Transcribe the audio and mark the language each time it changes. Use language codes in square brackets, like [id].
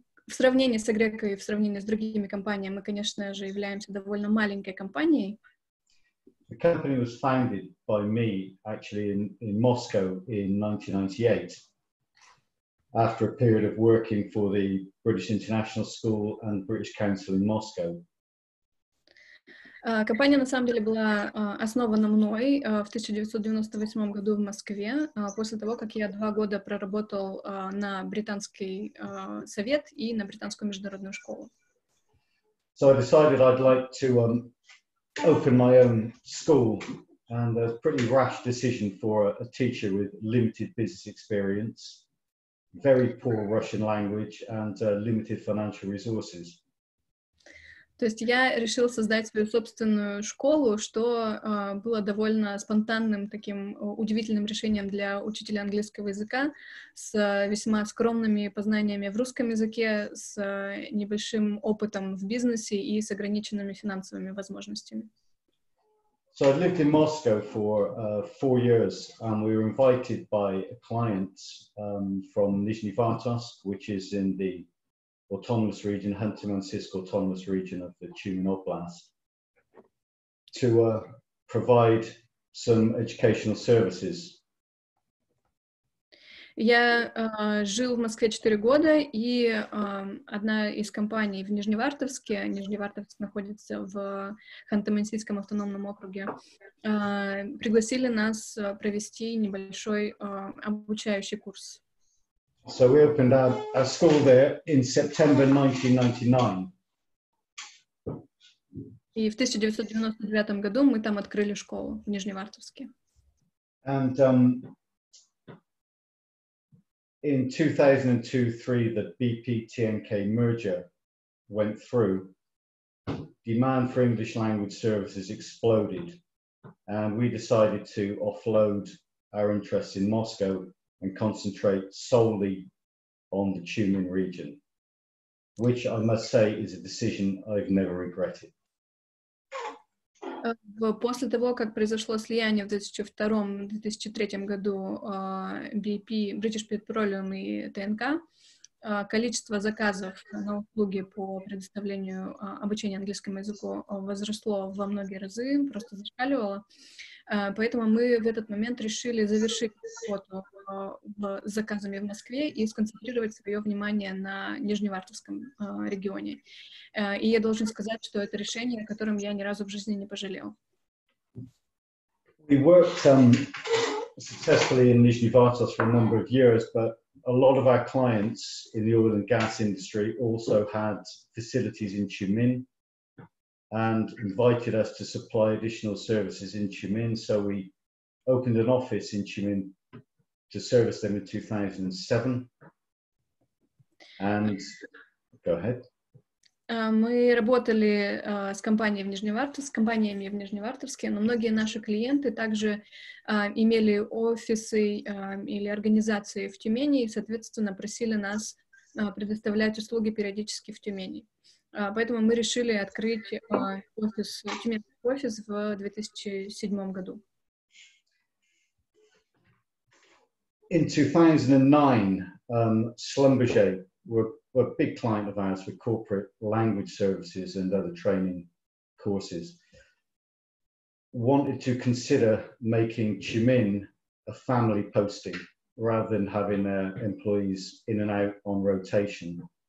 [ru] в сравнении с Greco и в сравнении с другими компаниями, мы, конечно же, являемся довольно маленькой компанией. [en] The company was founded by me, actually, in Moscow in 1998, after a period of working for the British International School and British Council in Moscow. [ru] Компания, на самом деле, была основана мной в 1998 году в Москве, после того, как я 2 года проработал на британский совет и на британскую международную школу. [en] So I decided I'd like to open my own school, and a pretty rash decision for a teacher with limited business experience, very poor Russian language, and limited financial resources. [ru] То есть я решил создать свою собственную школу, что было довольно спонтанным таким удивительным решением для учителя английского языка с весьма скромными познаниями в русском языке, с небольшим опытом в бизнесе и с ограниченными финансовыми возможностями. [en] So I lived in Moscow for 4 years, and we were invited by a client from Nizhny-Vartovsk, which is in the autonomous region, Ханты-Мансийск autonomous region of the Tumen Oblast, to provide some educational services. [ru] Я жил в Москве 4 года, и одна из компаний в Нижневартовске, Нижневартовск находится в Ханты-Мансийском автономном округе, пригласили нас провести небольшой обучающий курс. [en] So we opened our school there in September 1999. [ru] И в 1999 году мы там открыли школу в Нижневартовске. [en] And in 2002-03 the BP-TNK merger went through. Demand for English language services exploded, and we decided to offload our interests in Moscow and concentrate solely on the Tumen region, which I must say is a decision I've never regretted. [ru] После того, как произошло слияние в 2002-2003 году BP, British Petroleum и ТНК, количество заказов на услуги по предоставлению обучения английскому языку возросло во многие разы, просто зашкаливало. Поэтому мы в этот момент решили завершить работу с заказами в Москве и сконцентрировать свое внимание на Нижневартовском регионе. И я должен сказать, что это решение, о котором я ни разу в жизни не пожалел. [en] We worked successfully in Nizhny-Vartovsk for a number of years, but a lot of our clients in the oil and gas industry also had facilities in Tumen and invited us to supply additional services in Tumen. So we opened an office in Tumen to service them in 2007. And go ahead. [ru] Мы работали с компанией в Нижневартовске, с компаниями в Нижневартовске, но многие наши клиенты также имели офисы или организации в Тюмени и, соответственно, просили нас предоставлять услуги периодически в Тюмени. Поэтому мы решили открыть офис, тюменский офис в 2007 году. [en] In 2009, were a big client of ours with corporate language services and other training courses, wanted to consider making Tumen a family posting rather than having their employees in and out on rotation.